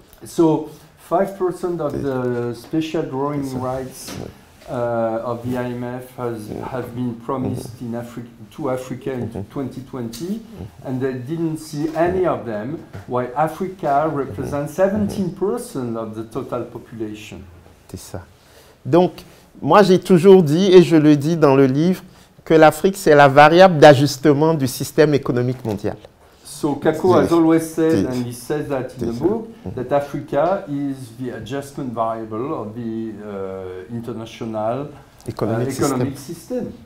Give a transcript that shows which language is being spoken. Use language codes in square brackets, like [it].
[en] So, 5% of the special drawing rights of the IMF have been promised in Africa in 2020, and they didn't see any of them, while Africa represents 17% of the total population. [fr] C'est ça. Donc, moi j'ai toujours dit, et je le dis dans le livre, que l'Afrique c'est la variable d'ajustement du système économique mondial. [en] So Kako has always said, and he says that in the book, that Africa is the adjustment variable of the international economic system.